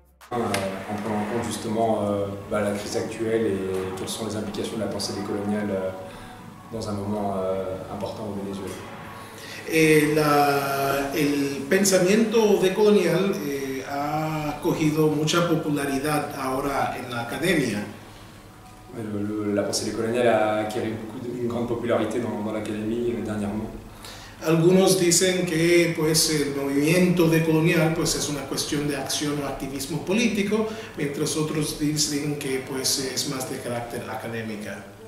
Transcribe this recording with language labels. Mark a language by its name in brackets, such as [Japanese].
[French] En prenant en compte justement la crise actuelle et quelles sont les implications de la pensée décoloniale dans un moment important au Venezuela. [Spanish] El pensamiento decolonial ha cogido mucha popularidad ahora en la academia. [French] La pensée décoloniale a acquis une grande popularité dans l'académie dernièrement. [Spanish] Algunos dicen que pues, el movimiento decolonial pues, es una cuestión de acción o activismo político, mientras otros dicen que pues, es más de carácter académica.